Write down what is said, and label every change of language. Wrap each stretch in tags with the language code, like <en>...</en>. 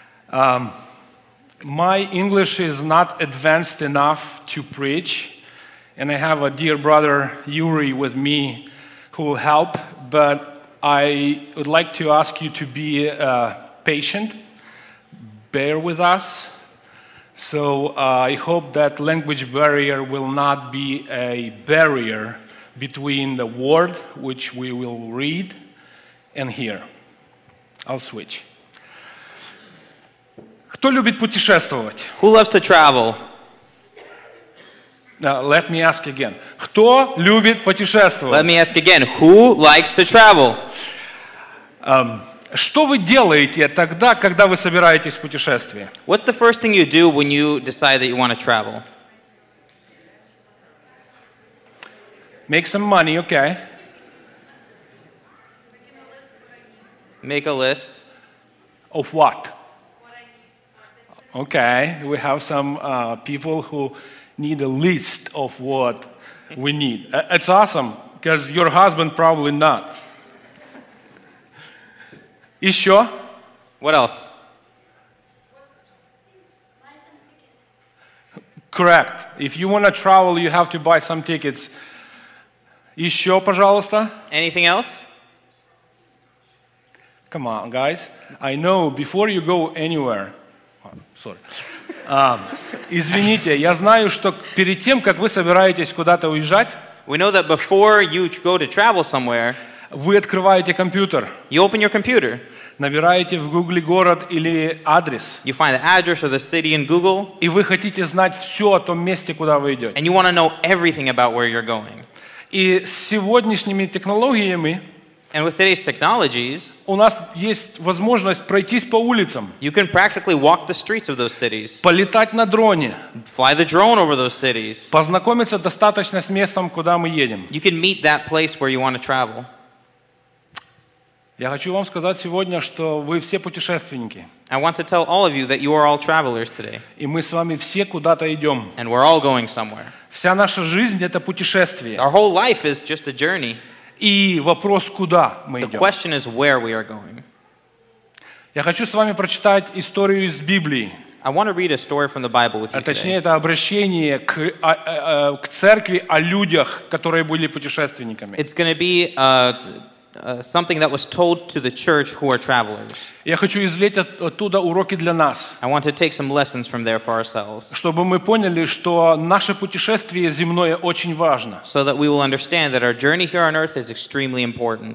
<en>My English is not advanced enough to preach, and I have a dear brother, Yuri, with me who will help, but I would like to ask you to be patient, bear with us. So I hope that language barrier will not be a barrier between the word which we will read and hear. I'll switch.</en> <ru>Кто любит путешествовать?</ru> <en>Who loves to travel? Now, let me ask again.</en> <ru>Кто любит путешествовать?</ru> <en>Let me ask again. Who likes to travel?</en> <ru>Что вы делаете тогда, когда вы собираетесь в путешествие?</ru> <en>What's the first thing you do when you decide that you want to travel? Make some money, okay. Make a list. Of what? Okay, we have some people who need a list of what we need. It's awesome, because your husband probably not.</en> <ru>Еще?</ru> <en>What else? Correct. If you want to travel, you have to buy some tickets.</en> <ru>Еще, пожалуйста?</ru> <en>Anything else? Come on, guys. I know, before you go anywhere... Sorry.</en> <ru>Извините, я знаю, что перед тем, как вы собираетесь куда-то уезжать,</ru> <en>we know that before you go to travel somewhere,</en> <ru>вы открываете компьютер,</ru> <en>you open your computer,</en> <ru>набираете в Google город или адрес,</ru> <en>you find the address or the city in Google,</en> <ru>и вы хотите знать все о том месте, куда вы идете,</ru> <en>and you want to know everything about where you're going.</en> <ru>И с сегодняшними технологиями,</ru> <en>and with today's technologies,</en> <ru>у нас есть возможность пройтись по улицам,</ru> <en>you can practically walk the streets of those cities,</en> <ru>полетать на дроне,</ru> <en>fly the drone over those cities,</en> <ru>познакомиться достаточно с местом, куда мы едем,</ru> <en>you can meet that place where you want to travel.</en> <ru>Я хочу вам сказать сегодня, что вы все путешественники.</ru> <en>I want to tell all of you that you are all travelers today.</en> <ru>И мы с вами все куда-то идем.</ru> <en>And we're all going somewhere.</en> <ru>Вся наша жизнь — это путешествие.</ru> <en>Our whole life is just a journey.</en> <ru>И вопрос, куда мы</ru> <en>the</en> <ru>идем.</ru> <en>Question is where we are going.</en> <ru>Я хочу с вами прочитать историю из Библии.</ru> <en>I want to read a story from the Bible with you today.</en> <ru>Точнее, это обращение к церкви о людях, которые были путешественниками.</ru> <en>It's going to be something that was told to the church who are travelers.</en> <ru>Я хочу извлечь оттуда уроки для нас.</ru> <en>I want to take some lessons from there for ourselves.</en> <ru>Чтобы мы поняли, что наше путешествие земное очень важно.</ru> <en>So that we will understand that our journey here on earth is extremely important.</en>